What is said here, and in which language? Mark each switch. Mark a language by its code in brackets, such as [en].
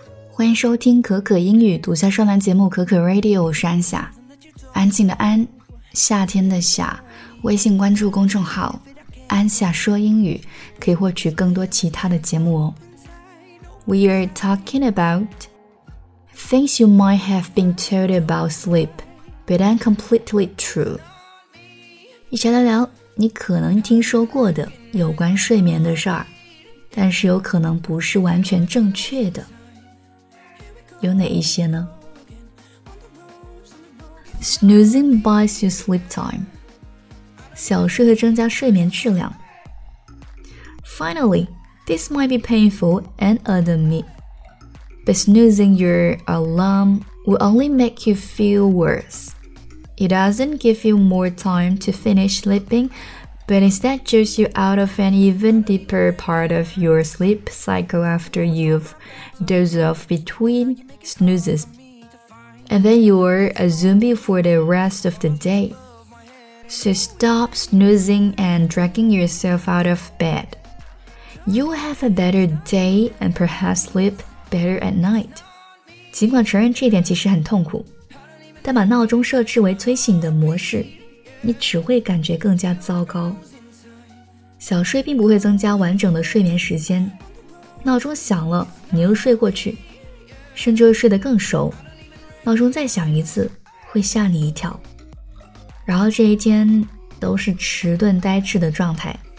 [zh] 欢迎收听可可英语独家专栏节目可可 Radio， 我是安夏，安静的安，夏天的夏。微信关注公众号安夏说英语，可以获取更多其他的节目哦。 [en] We are talking about things you might have been told about sleep but aren't completely true。 [zh] 一起来聊你可能听说过的有关睡眠的事儿，但是有可能不是完全正确的，有哪一些呢？ [en] Snoozing buys you sleep time， [zh] 小睡会增加睡眠质量。 [en] Finally, this might be painful and admit, but snoozing your alarm will only make you feel worse. It doesn't give you more time to finish sleeping, but instead jerks you out of an even deeper part of your sleep cycle after you've dozed off between snoozes. And then you're a zombie for the rest of the day. So stop snoozing and dragging yourself out of bed. You'll have a better day and perhaps sleep better at night. [zh] 尽管承认这一点其实很痛苦，但把闹钟设置为催醒的模式，你只会感觉更加糟糕。小睡并不会增加完整的睡眠时间，闹钟响了你又睡过去，甚至会睡得更熟，闹钟再响一次会吓你一跳，然后这一天都是迟钝呆滞的状态。